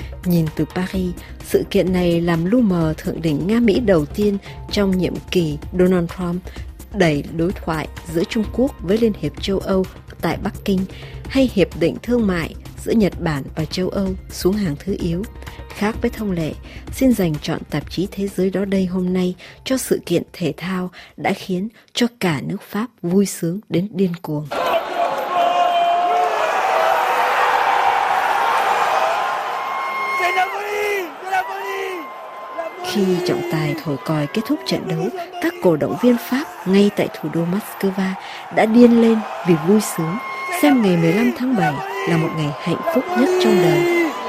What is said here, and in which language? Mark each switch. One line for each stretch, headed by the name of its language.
Vietnamese: Nhìn từ Paris, sự kiện này làm lu mờ thượng đỉnh Nga-Mỹ đầu tiên trong nhiệm kỳ Donald Trump, đẩy đối thoại giữa Trung Quốc với Liên hiệp châu Âu tại Bắc Kinh hay hiệp định thương mại giữa Nhật Bản và châu Âu xuống hàng thứ yếu. Khác với thông lệ, xin dành chọn tạp chí Thế giới đó đây hôm nay cho sự kiện thể thao đã khiến cho cả nước Pháp vui sướng đến điên cuồng.
French: C'est la folie! C'est la folie! La
Vietnamese: Khi trọng tài thổi còi kết thúc trận đấu, các cổ động viên Pháp ngay tại thủ đô Moscow đã điên lên vì vui sướng, xem ngày 15 tháng 7 là một ngày hạnh phúc nhất trong đời.